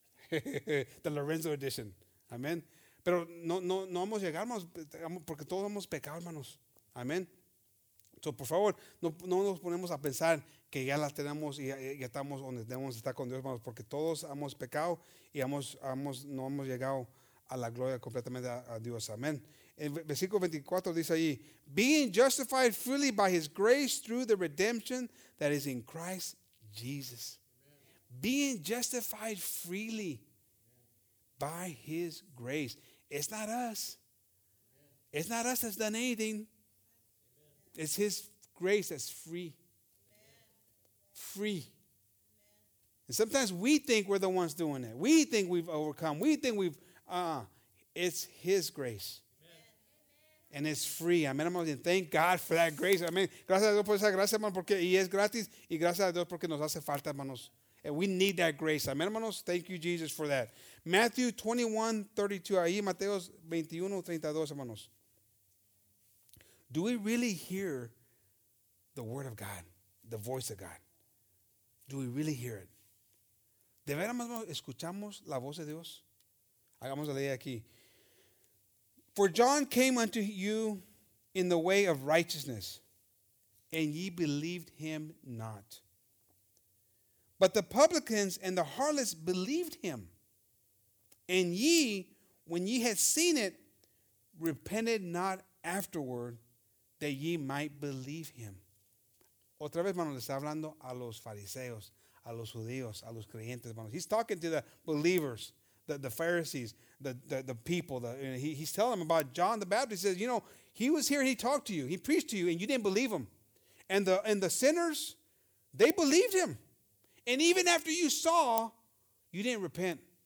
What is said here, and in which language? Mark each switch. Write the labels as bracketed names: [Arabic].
[English] The Lorenzo edition. [Spanish] Amén. Pero no hemos llegado, hermanos, porque todos hemos pecado, hermanos. Amén. So, por favor, no nos ponemos a pensar que ya la tenemos y ya estamos donde debemos estar con Dios, hermanos, porque todos hemos pecado y no hemos llegado a la gloria completamente a Dios. Amén. En versículo 24 dice ahí, [English] being justified freely by his grace through the redemption that is in Christ Jesus. Amen. Being justified freely by his grace. It's not us. Amen. It's not us that's done anything. Amen. It's his grace that's free. Amen. Free. Amen. And sometimes we think we're the ones doing it. We think we've overcome. We think we've, it's his grace. And it's free. Amen, hermanos. And thank God for that grace. Amen. [Spanish] Gracias a Dios por esa gracia, hermanos, porque y es gratis. Y gracias a Dios porque nos hace falta, hermanos. [English] And we need that grace. Amen, hermanos. Thank you, Jesus, for that. Matthew 21:32. [Spanish] Ahí, Mateos 21:32, hermanos. [English] Do we really hear the word of God, the voice of God? Do we really hear it? [Spanish] ¿De veras, hermanos, escuchamos la voz de Dios? Hagamos la ley aquí. [English] For John came unto you in the way of righteousness, and ye believed him not. But the publicans and the harlots believed him. And ye, when ye had seen it, repented not afterward that ye might believe him. [Spanish] Otra vez, hermano, le está hablando a los fariseos, a los judíos, a los creyentes, hermano. [English] He's talking to the believers. The Pharisees, the people, he's telling them about John the Baptist. He says, you know, he was here and he talked to you, he preached to you, and you didn't believe him. And the sinners, they believed him. And even after you saw, you didn't repent.